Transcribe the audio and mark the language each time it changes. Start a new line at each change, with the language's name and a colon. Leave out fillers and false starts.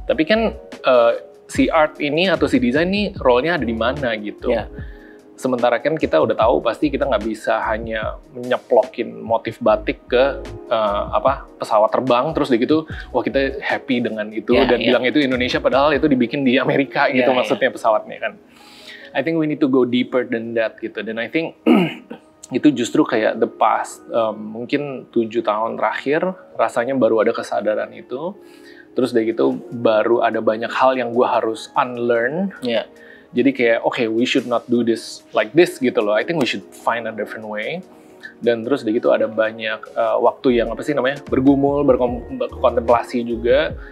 Indonesian: Tapi kan si art ini atau si desain ini role-nya ada di mana gitu.
English: Yeah.
Indonesian: Sementara kan kita udah tahu pasti kita nggak bisa hanya menyeplokin motif batik ke pesawat terbang terus gitu, wah kita happy dengan itu bilang itu Indonesia padahal itu dibikin di Amerika gitu pesawatnya kan.
English: I think we need to go deeper than that
Indonesian: gitu. Dan
English: I think
Indonesian: itu justru kayak
English: the past,
Indonesian: mungkin 7 tahun terakhir rasanya baru ada kesadaran itu. Terus dari gitu baru ada banyak hal yang gue harus unlearn.
English: Yeah.
Indonesian: Jadi kayak
English: okay, we should not do this like this
Indonesian: gitu loh.
English: I think we should find a different way.
Indonesian: Dan terus dari gitu ada banyak waktu yang apa sih namanya bergumul, berkontemplasi juga.